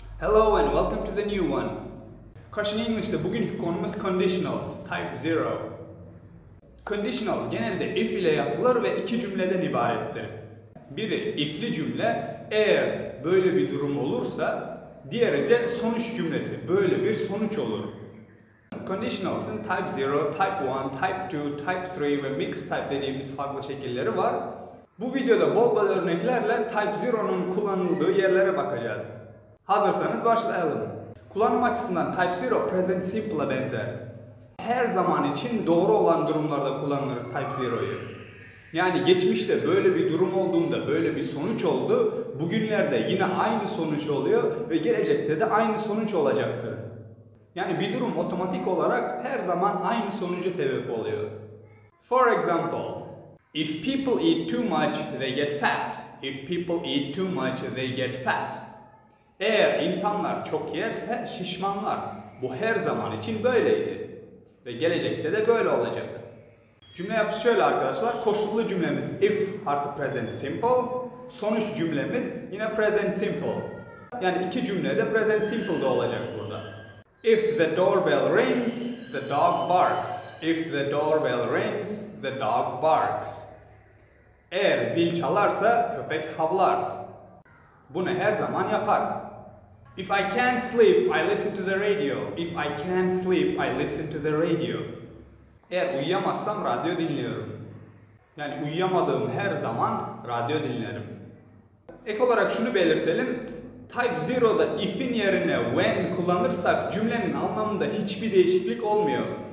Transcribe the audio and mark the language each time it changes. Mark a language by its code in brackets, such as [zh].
[en] Hello and welcome to the new one. [tr] Karşın İngilizce'de bugünkü konumuz conditionals, type 0. Conditionals genelde if ile yapılır ve iki cümleden ibarettir. Biri if'li cümle, eğer böyle bir durum olursa, diğeri de sonuç cümlesi, böyle bir sonuç olur. Conditionals'ın type 0, type 1, type 2, type 3 ve mixed type dediğimiz farklı şekilleri var. Bu videoda bol bol örneklerle type 0'nın kullanıldığı yerlere bakacağız. Hazırsanız başlayalım. Kullanım açısından type 0 present simple'a benzer. Her zaman için doğru olan durumlarda kullanırız type 0'yı. Yani geçmişte böyle bir durum olduğunda böyle bir sonuç oldu. Bugünlerde yine aynı sonuç oluyor ve gelecekte de aynı sonuç olacaktır. Yani bir durum otomatik olarak her zaman aynı sonuca sebep oluyor. [en] For example, if people eat too much, they get fat. If people eat too much, they get fat. [tr] Eğer insanlar çok yerse şişmanlar. Bu her zaman için böyleydi. Ve gelecekte de böyle olacak. Cümle yapısı şöyle arkadaşlar. Koşullu cümlemiz if artı present simple. Sonuç cümlemiz yine present simple. Yani iki cümle de present simple'da olacak burada. [en] If the doorbell rings, the dog barks. If the doorbell rings, the dog barks. [tr] Eğer zil çalarsa köpek havlar. Bunu her zaman yapar. [en] If I can't sleep, I listen to the radio. If I can't sleep, I listen to the radio. [tr] Eğer uyuyamazsam radyo dinliyorum. Yani uyuyamadığım her zaman radyo dinlerim. Ek olarak şunu belirtelim. Type 0'da if'in yerine when kullanırsak cümlenin anlamında hiçbir değişiklik olmuyor.